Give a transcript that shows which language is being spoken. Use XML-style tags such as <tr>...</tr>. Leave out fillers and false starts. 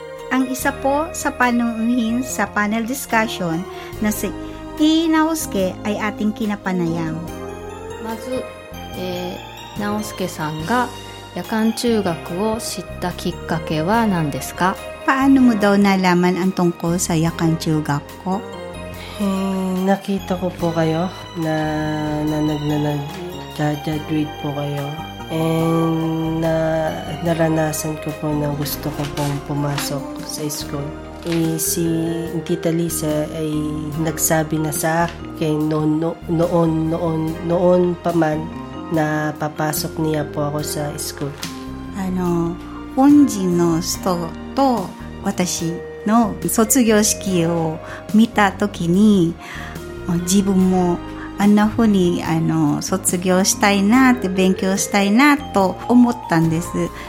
<tl>Ang isa po sa panunuhin sa panel discussion na si井伊直輔ay ating kinapanayam.</tl> <ja>まず、直輔さんが夜間中学を知ったきっかけは何ですか？</ja> <tl>Paano mo daw nalaman ang tungkol sa yakan tiyugak ko? Nakita ko po kayo na nag-graduate po kayo. And naranasan ko po na gusto ko pong pumasok sa school. Si Tita Lisa ay nagsabi na sa akin noon pa man na papasok niya po ako sa school.</tl> <ja>Ano, 本人の人と私の卒業式を見た時に、自分もあんな風に卒業したいなって勉強したいなと思ったんです。</ja>